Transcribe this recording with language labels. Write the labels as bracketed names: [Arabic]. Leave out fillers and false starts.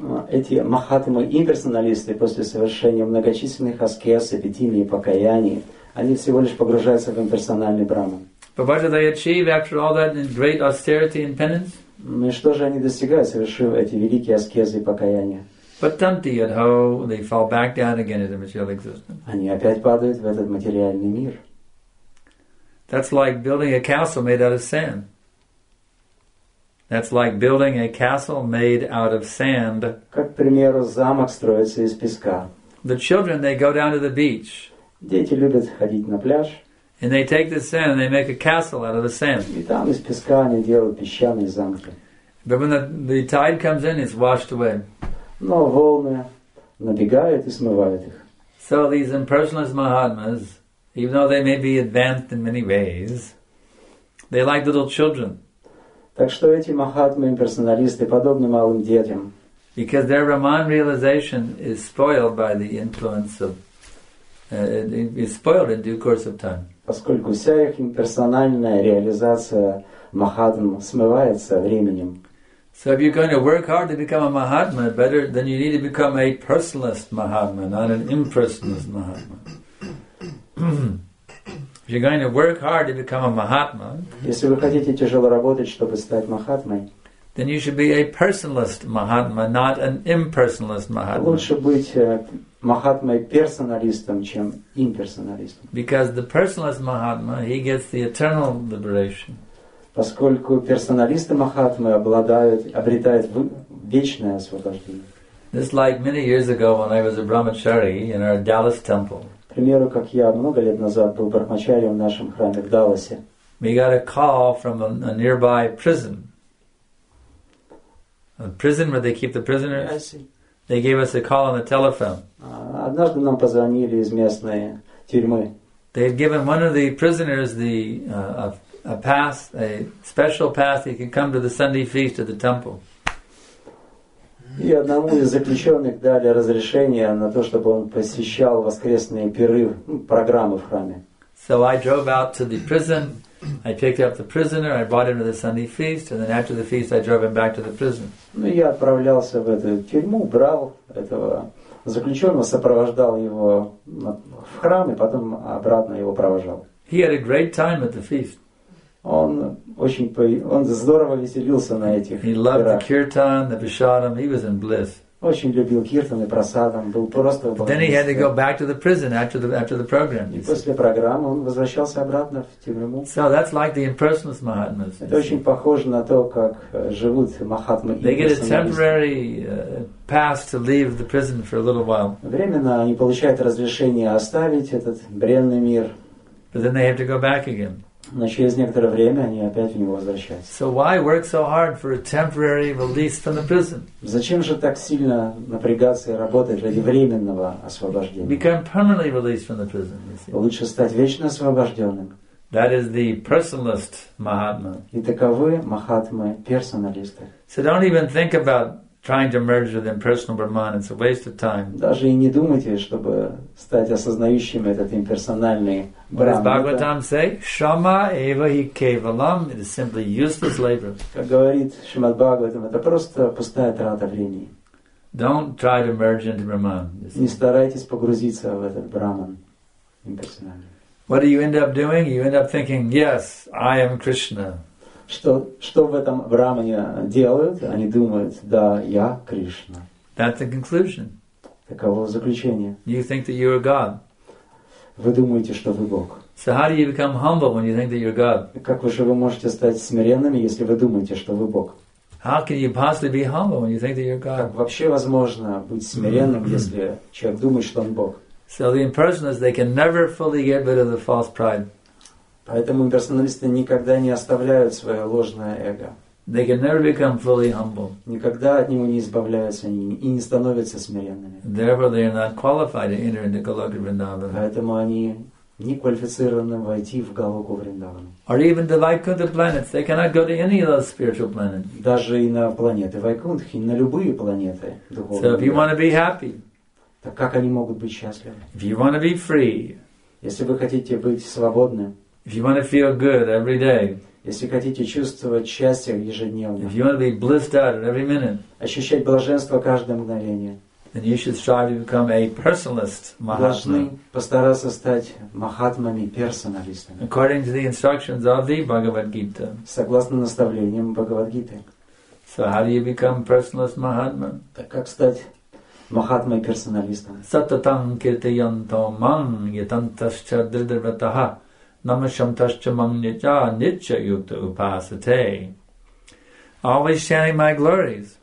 [Russian] Эти Махатмы имперсоналисты после совершения многочисленных аскез, эпитимии, покаяний, они всего лишь погружаются в имперсональный Брахман. [English] But what do they achieve after all that in great austerity and penance? [Russian] Ну что же они достигают, совершив эти великие аскезы и покаяния? [English] But tanti at ho, they fall back down again into material existence. [Russian] Они опять падают в этот материальный мир. [English] That's like building a castle made out of sand. That's like building a castle made out of sand. [Russian] Как, к примеру, замок строится из песка. [English] The children, they go down to the beach. [Russian] Дети любят ходить на пляж. [English] And they take the sand and they make a castle out of the sand. [Russian] И там из песка они делают песчаные замки. [English] But when the tide comes in, it's washed away. [Russian] Но волны набегают и смывают их. [English] So these impersonalist Mahatmas, even though they may be advanced in many ways, they like little children. [Russian] Так что эти Махатмы имперсоналисты подобны малым детям. [English] Because their Brahman realization is spoiled by the influence of, is spoiled in due course of time. [Russian] Поскольку вся их имперсональная реализация Махатм смывается временем. [English] So if you're going to work hard to become a Mahatma, better then you need to become a personalist Mahatma, not an impersonalist Mahatma. If you're going to work hard to become a Mahatma, [Russian] если вы хотите тяжело работать, чтобы стать Махатмой, [English] then you should be a personalist Mahatma, not an impersonalist Mahatma. [Russian] Лучше быть Махатмой-персоналистом, чем имперсоналистом. [English] Because the personalist Mahatma, he gets the eternal liberation. [Russian] Поскольку персоналисты Махатмы обретают вечное освобождение. [English] This like many years ago when I was a brahmachari in our Dallas temple. [Russian] К примеру, как я много лет назад был брахмачарием в нашем храме в Далласе. [English] We got a call from a nearby prison. A prison where they keep the prisoners. Yeah, I see. They gave us a call on the telephone. [Russian] Однажды нам позвонили из местной тюрьмы. [English] They had given one of the prisoners a pass, a special pass, he could come to the Sunday feast at the temple. [Russian] И одному из заключенных дали разрешение на то, чтобы он посещал воскресные пиры, программы в храме. [English] So I drove out to the prison, I picked up the prisoner, I brought him to the Sunday feast, and then after the feast I drove him back to the prison. [Russian] Ну, я отправлялся в эту тюрьму, брал этого заключенного, сопровождал его в храм и потом обратно его провожал. [English] He had a great time at the feast. [Russian] Он здорово веселился на этих. [English] He loved the kirtan, the prasadam. He was in bliss. [Russian] Очень любил киртан и прасадам, был просто. [English] Then he had to go back to the prison after the program. [Russian] И после программы он возвращался обратно в тюрьму. [English] So that's like the impersonalist mahatmas. [Russian] Это очень похоже на то, как живут махатмы. [English] They get a temporary pass to leave the prison for a little while. [Russian] Временно они получают разрешение оставить этот бренный мир. [English] But then they have to go back again. [Russian] Но через некоторое время они опять в него возвращаются. [English] So why work so hard for a temporary release from the prison? [Russian] Зачем же так сильно напрягаться и работать ради временного освобождения? [English] Become permanently released from the prison. [Russian] Лучше стать вечно освобожденным. [English] That is the personalist mahatma. [Russian] И таковы махатмы персоналисты. [English] So don't even think about trying to merge with impersonal Brahman. It's a waste of time. [Russian] Даже и не думайте, чтобы стать осознающим этот имперсональный Брахман. [English] What does Bhagavatam say? [Sanskrit] Shama eva hi kevalam. [English] It is simply useless labor. [Russian] Как говорит Шримад Бхагаватам, это просто пустая трата времени. [English] Don't try to merge into Brahman. [Russian] Не старайтесь погрузиться в этот Брахман имперсональный. [English] What do you end up doing? You end up thinking, yes, I am Krishna. [Russian] Что в этом Брахмане делают? Они думают, да, я Кришна. [English] That's the conclusion. [Russian] Таково заключение. [English] You think that you are God. [Russian] Вы думаете, что вы Бог. [English] So how do you become humble when you think that you're God? [Russian] Как же вы можете стать смиренными, если вы думаете, что вы Бог? [English] How can you possibly be humble when you think that you're God? [Russian] Как вообще возможно быть смиренным, если человек думает, что он Бог? [English] So the impersonalists, they can never fully get rid of the false pride. [Russian] Поэтому имперсоналисты никогда не оставляют свое ложное эго. [English] They can never become fully humble. [Russian] Никогда от него не избавляются они и не становятся смиренными. [English] Therefore, they are not qualified to enter into Goloka Vrindavan. [Russian] Поэтому они не квалифицированы войти в Голоку Вриндаван. [English] Or even the Vaikuntha planets, they cannot go to any of those spiritual planets. [Russian] Даже и на планеты Вайкунтхи, на любые планеты духовные. [English] So if you want to be happy, [Russian] так как они могут быть счастливы? [English] If you want to be free, [Russian] если вы хотите быть свободны. [English] If you want to feel good every day, [Russian] если хотите чувствовать счастье ежедневно, [English] if you want to be blissed out at every minute, [Russian] ощущать блаженство каждое мгновение, [English] then you should strive to become a personalist mahatma. [Russian] Должны постараться стать махатмами персоналистами. [English] According to the instructions of the Bhagavad Gita. [Russian] Согласно наставлениям Бхагавад Гиты. [English] So how do you become personalist mahatma? [Russian] Так как стать махатмой персоналистом? [Sanskrit] Сататам киртиянто ман ятантасча дридрватаха. [English] Always chanting my glories.